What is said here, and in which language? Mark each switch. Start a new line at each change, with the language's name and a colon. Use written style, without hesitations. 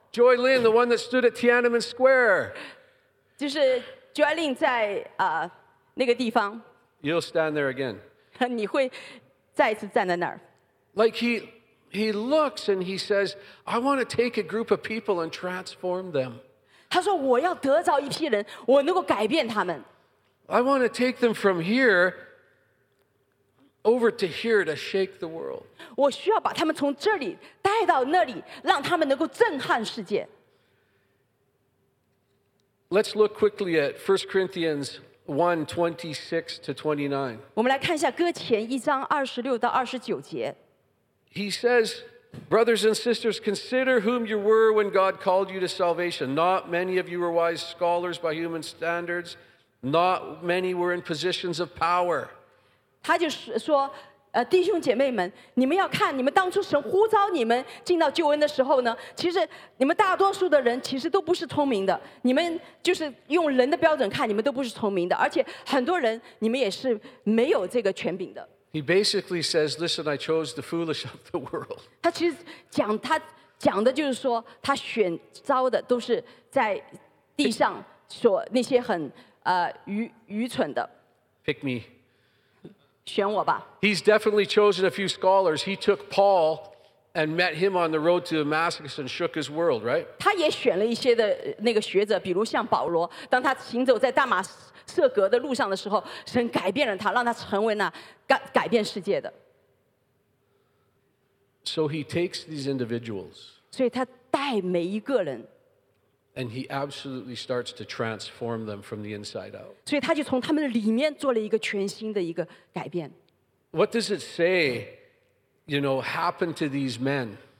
English: ，Joy Lin, the one that stood at Tiananmen Square.
Chinese: 就是 Joy Lin 在那个地方。
English: You'll stand there again.
Chinese: 你会再次站在那儿。
English: Like he looks and he says, "I want to take a group of people and transform them."
Chinese: 他说我要得着一批人，我能够改变他们。
English: I want to take them from here. Over to here to shake the world.
Chinese: 我需要把他们从这里带到那里，让他们能够震撼世界。
English: Let's look quickly at 1 Corinthians 1, 26 to 29.
Chinese: 我们来看一下哥前一章二十六到二十九节。
English: He says, "Brothers and sisters, consider whom you were when God called you to salvation. Not many of you were wise scholars by human standards. Not many were in positions of power."
Chinese: 他就说弟兄姐妹们你们要看你们当初神呼召你们进到救恩的时候呢其实你们大多数的人其实都不是聪明的你们就是用人的标准看你们都不是聪明的而且很多人你们也是没有这个权柄的
English: He basically says listen I chose the foolish of the world
Chinese: 他其实讲他讲的就是说他选招的都是在地上所那些很愚蠢的
English: Pick meHe's definitely chosen a few scholars. He took Paul and met him on the road to Damascus and shook his world, right?
Chinese: 他也选了一些的那个学者，比如像保罗。当他行走在大马色格的路上的时候，神改变了他，让他成为那改变世界的。
English: So he takes these individuals.
Chinese: 所以他带每一个人。
English: And he absolutely starts to transform them from the inside out.
Chinese: 所以他就从他们里面做了一个全新的一个改变。
English: What does it say, you know, happened to these men?